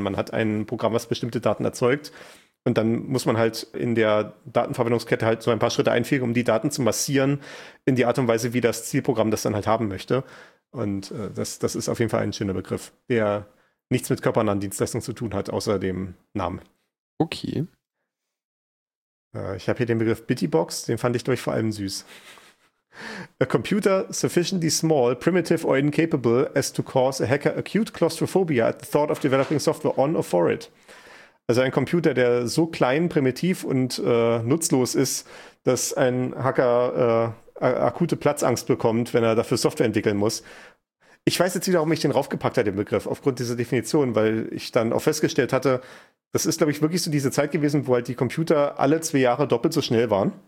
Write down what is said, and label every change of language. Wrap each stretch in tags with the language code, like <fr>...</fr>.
<de>Man hat ein Programm, was bestimmte Daten erzeugt und dann muss man halt in der Datenverwendungskette halt so ein paar Schritte einfügen, um die Daten zu massieren in die Art und Weise, wie das Zielprogramm das dann halt haben möchte. Und das ist auf jeden Fall ein schöner Begriff, der nichts mit körpernahen Dienstleistungen zu tun hat, außer dem Namen. Okay. Ich habe hier den Begriff Bittybox, den fand ich, glaube ich, vor allem süß.</de> <en>A computer sufficiently small, primitive or incapable as to cause a hacker acute claustrophobia at the thought of developing software on or for it.</en> <de>Also ein Computer, der so klein, primitiv und nutzlos ist, dass ein Hacker akute Platzangst bekommt, wenn er dafür Software entwickeln muss. Ich weiß jetzt wieder, warum ich den raufgepackt habe, den Begriff, aufgrund dieser Definition, weil ich dann auch festgestellt hatte, das ist, glaube ich, wirklich so diese Zeit gewesen, wo halt die Computer alle 2 Jahre doppelt so schnell waren.</de>